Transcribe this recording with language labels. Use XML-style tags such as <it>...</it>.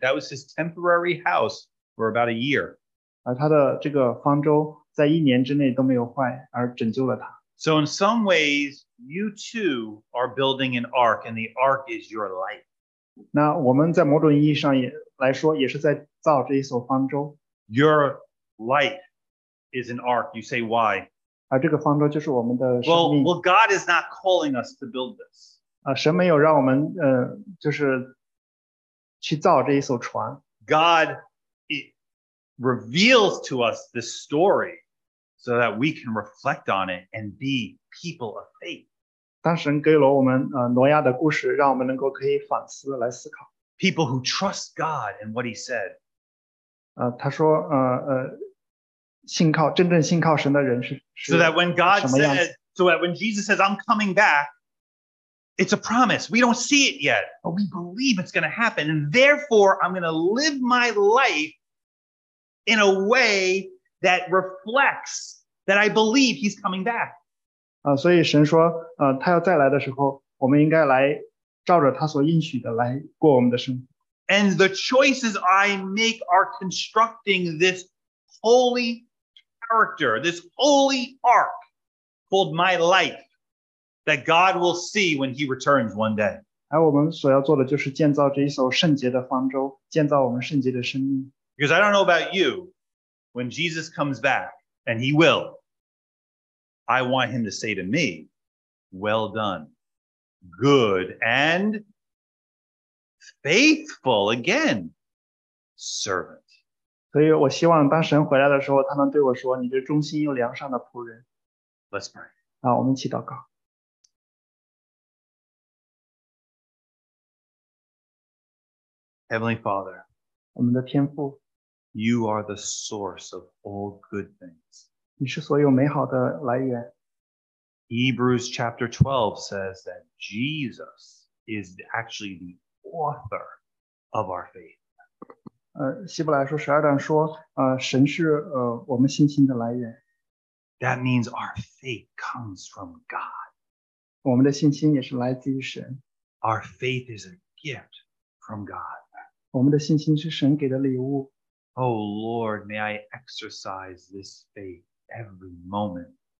<en>That was his temporary house for about a year.</en> <zh>而他的这个方舟在一年之内都没有坏，而拯救了他。</zh> <en>So in some ways, you too are building an ark, and the ark is your life.</en> <zh>那我们在某种意义上来说，也是在造这一艘方舟。</zh> <en>Your life is an ark. You say why?</en> <zh>而这个方舟就是我们的生命。</zh> <en>Well, God is not calling us to build this.</en> <zh>神没有让我们就是去造这一艘船。</zh> <en>God reveals to us this story so that we can reflect on it and be people of faith.</en> <zh>当神给了我们挪亚的故事，让我们能够可以反思来思考。</zh> <en>People who trust God and what he said.</en> <zh>他说信靠真正信靠神的人是什么样子。</zh> <en>So that when Jesus says, I'm coming back,It's a promise. We don't see it yet, but we believe it's going to happen. And therefore, I'm going to live my life in a way that reflects that I believe he's coming back.</en> <zh>所以神说，他要再来的时候，我们应该来照着他所应许的来过我们的生活。</zh> <en>And the choices I make are constructing this holy character, this holy ark called my life. That God will see when he returns one day.</en> <zh>而我们所要做的就是建造这一艘圣洁的方舟，建造我们圣洁的生命。</zh> <en>Because I don't know about you, when Jesus comes back, and he will, I want him to say to me, well done, good and faithful again, servant.</en> <zh>所以我希望当神回来的时候，他能对我说，你这忠心又良善的仆人。</zh> <en>Let's pray.</en> <zh>我们一起祷告。</zh> <en>Heavenly Father,</en> <zh>我们的天父,</zh> <en>you are the source of all good things.</en> <zh>你是所有美好的来源。</zh> <en>Hebrews chapter 12 says that Jesus is actually the author of our faith.</en> <zh>希伯来书12章说，神是我们信心的来源。</zh> <en>That means our faith comes from God.</en> <zh>我们的信心也是来自于神。</zh> <en>Our faith is a gift from God.</en> <zh>我们的信心是神给的礼物。</zh> <en>Oh Lord, may I exercise this faith every moment.</en>